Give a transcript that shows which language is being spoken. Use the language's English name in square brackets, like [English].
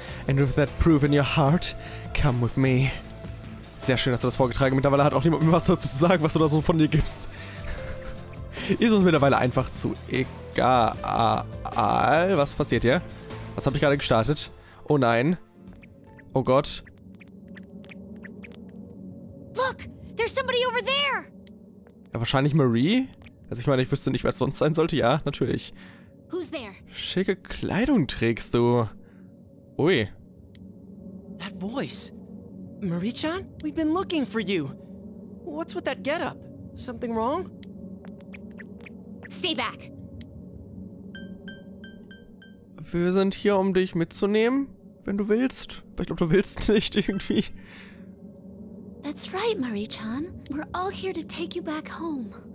[English] And with that proof in your heart, come with me. [German] Sehr schön, dass du das vorgetragen hast. Mittlerweile hat auch niemand mehr was dazu zu sagen, was du da so von dir gibst. Ist uns mittlerweile einfach zu egal. Was passiert hier? Was habe ich gerade gestartet? Oh nein. Oh Gott. [English] Look, there's somebody over there. [German] Ja, wahrscheinlich Marie? Also ich meine, ich wüsste nicht, wer es sonst sein sollte. Ja, natürlich. [English] Who's there? [German] Schicke Kleidung trägst du. Ui. [English] That voice. Marie-chan? We've been looking for you. What's with that getup? Something wrong? Stay back. [German] Wir sind hier, um dich mitzunehmen, wenn du willst. Aber ich glaube, du willst nicht irgendwie. [English] That's right, Marie-chan. We're all here to take you back home.